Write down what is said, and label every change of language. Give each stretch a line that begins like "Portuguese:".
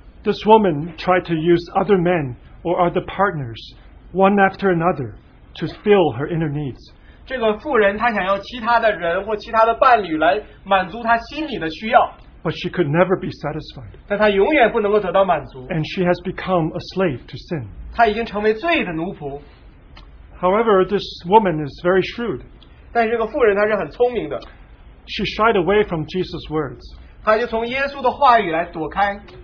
English: This woman tried to use other men or other partners, one after another, to fill her inner needs.
Chinese: 这个妇人她想要其他的人或其他的伴侣来满足她心里的需要。
English: But she could never be satisfied.
Chinese: 但她永远不能够得到满足。
English: And she has become a slave to sin.
Chinese: 她已经成为罪的奴仆。
English: However, this woman is very shrewd.
Chinese: 但是这个妇人她是很聪明的。
English: She shied away from Jesus' words.
Chinese: 她就从耶稣的话语来躲开。